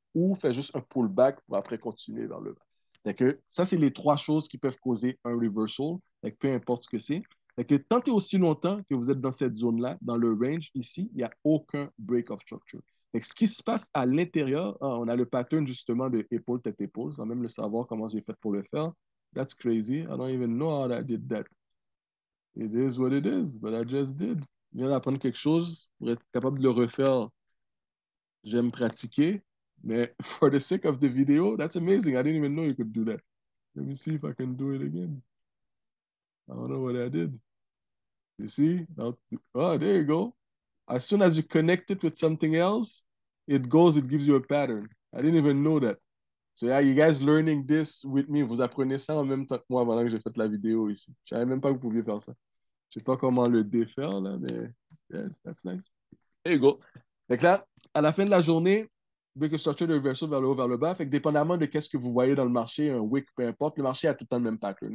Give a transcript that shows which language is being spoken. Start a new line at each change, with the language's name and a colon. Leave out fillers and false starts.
French: ou fais juste un pullback pour après continuer vers le bas. Fait que ça, c'est les trois choses qui peuvent causer un reversal, fait que peu importe ce que c'est. Fait que tant et aussi longtemps que vous êtes dans cette zone-là, dans le range ici, il n'y a aucun break of structure. Fait que ce qui se passe à l'intérieur, hein, on a le pattern justement de épaule, tête, épaule, sans même le savoir comment j'ai fait pour le faire.
English: That's crazy. I don't even know how I did that. It is what it is, but I just did.
French: Je viens d'apprendre quelque chose pour être capable de le refaire. J'aime pratiquer, mais
English: for the sake of the video, that's amazing. I didn't even know you could do that. Let me see if I can do it again. I don't know what I did. You see? Oh, there you go. As soon as you connect it with something else, it goes, it gives you a pattern. I didn't even know that. So, yeah, you guys learning this with me.
French: Vous apprenez ça en même temps que moi pendant que j'ai fait la vidéo ici. Je savais même pas que vous pouviez faire ça. Je sais pas comment le défaire, là, mais
English: yeah, that's nice. There you go.
French: Fait que là, à la fin de la journée, break of structure de reversal vers le haut, vers le bas. Fait que dépendamment de qu'est-ce que vous voyez dans le marché, un wick, peu importe, le marché a tout le temps le même pattern.